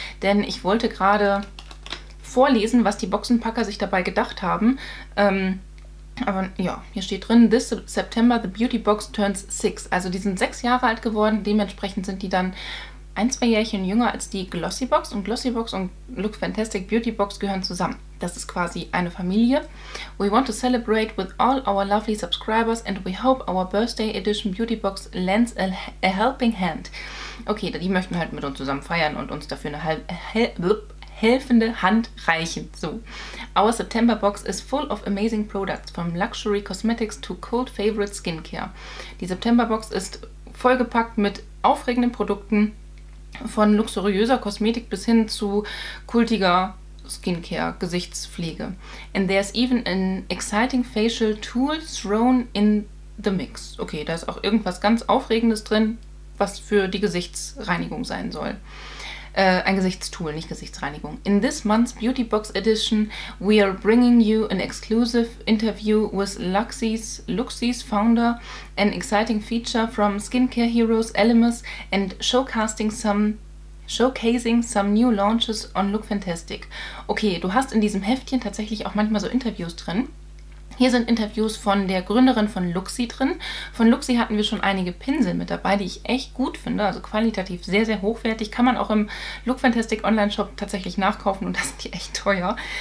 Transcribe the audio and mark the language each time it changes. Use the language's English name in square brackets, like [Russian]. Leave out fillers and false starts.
[German] Denn ich wollte gerade vorlesen, was die Boxenpacker sich dabei gedacht haben. Aber ja, hier steht drin, [English] this September the Beauty Box turns 6. [German] Also die sind 6 Jahre alt geworden, dementsprechend sind die dann ein, zwei Jährchen jünger als die Glossy Box. Und Glossy Box und Look Fantastic Beauty Box gehören zusammen. Das ist quasi eine Familie. [English] We want to celebrate with all our lovely subscribers and we hope our birthday edition Beauty Box lends a helping hand. [German] Okay, die möchten halt mit uns zusammen feiern und uns dafür eine helfende Hand reichen. So. [English] Our September box is full of amazing products, from luxury cosmetics to cold favorite skincare. [German] Die September box ist vollgepackt mit aufregenden Produkten, von luxuriöser Kosmetik bis hin zu kultiger Skincare, Gesichtspflege. [English] And there's even an exciting facial tool thrown in the mix. [German] Okay, da ist auch irgendwas ganz Aufregendes drin, was für die Gesichtsreinigung sein soll. Ein Gesichtstool, nicht Gesichtsreinigung. [English] In this month's Beauty Box Edition, we are bringing you an exclusive interview with Luxy's founder, an exciting feature from skincare heroes Elemis and showcasing some new launches on Look Fantastic. [German] Okay, du hast in diesem Heftchen tatsächlich auch manchmal so Interviews drin. Hier sind Interviews von der Gründerin von Luxy drin. Von Luxy hatten wir schon einige Pinsel mit dabei, die ich echt gut finde. Also qualitativ sehr, sehr hochwertig. Kann man auch im Look Fantastic Online-Shop tatsächlich nachkaufen und da sind die echt teuer.